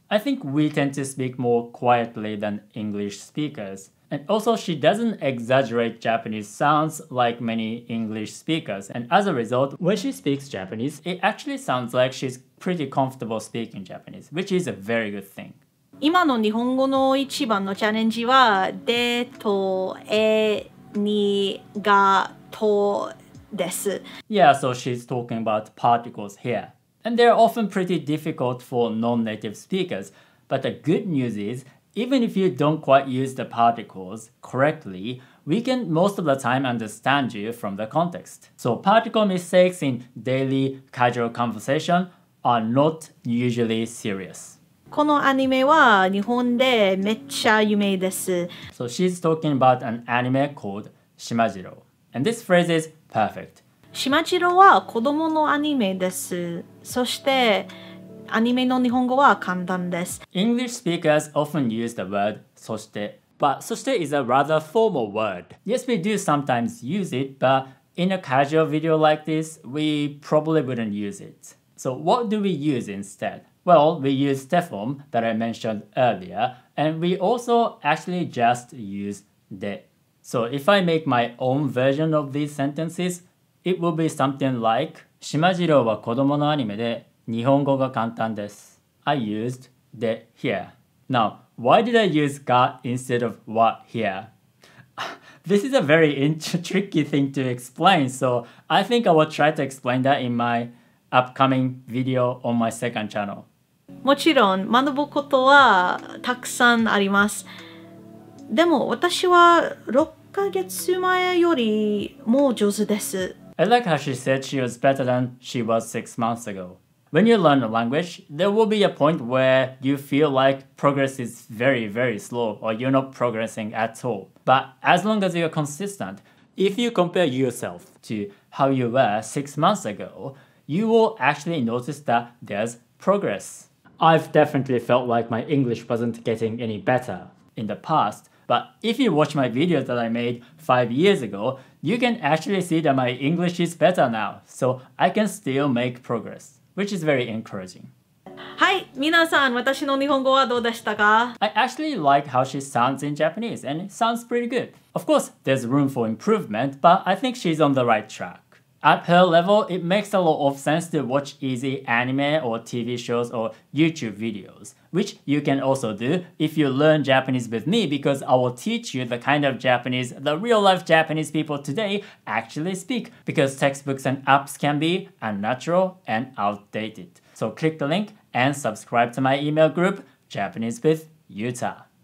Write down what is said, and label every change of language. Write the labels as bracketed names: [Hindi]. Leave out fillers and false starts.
[English] I think we tend to speak more quietly than English speakers. And also, she doesn't exaggerate Japanese sounds like many English speakers. And as a result, when she speaks Japanese, it actually sounds like she's pretty comfortable speaking Japanese, which is a very good thing. [Japanese] 今の日本語の一番のチャレンジは、でと、え、に、が、とです。 [English] Yeah, so she's talking about particles here. And they're often pretty difficult for non-native speakers. But the good news is,Even if you don't quite use the particles correctly, we can most of the time understand you from the context. So particle mistakes in daily casual conversation are not usually serious. [Japanese] このアニメは日本でめっちゃ有名です。 [English] So she's talking about an anime called Shimajiro. And this phrase is perfect. [Japanese] Shimajiro は子供のアニメです。そしてアニメの日本語は簡単です。 [English] English speakers often use the word そして But そして is a rather formal word. Yes, we do sometimes use it, but in a casual video like this, we probably wouldn't use it. So what do we use instead? Well, we use the form that I mentioned earlier, and we also actually just use で. So if I make my own version of these sentences, it will be something like [Japanese] 島次郎は子供のアニメで日本語が簡単です。 [English] I used で here. Now,Why did I use が instead of わ here? This is a very tricky thing to explain, so I think I will try to explain that in my upcoming video on my second channel. [Japanese] もちろん、学ぶことはたくさんあります。でも私は6ヶ月前よりもう上手です。 [English] I like how she said she was better than she was 6 months ago. When you learn a language, there will be a point where you feel like progress is very, very slow or you're not progressing at all. But as long as you're consistent, if you compare yourself to how you were 6 months ago, you will actually notice that there's progress. I've definitely felt like my English wasn't getting any better in the past, but if you watch my videos that I made 5 years ago, you can actually see that my English is better now, so I can still make progress. Which is very encouraging. [Japanese] はい、皆さん、私の日本語はどうでしたか? [English] I actually like how she sounds in Japanese, and it sounds pretty good. Of course, there's room for improvement, but I think she's on the right track. At her level, it makes a lot of sense to watch easy anime or TV shows or YouTube videos, which you can also do if you learn Japanese with me, because I will teach you the kind of Japanese the real-life Japanese people today actually speak, because textbooks and apps can be unnatural and outdated. So click the link and subscribe to my email group, Japanese with Yuta.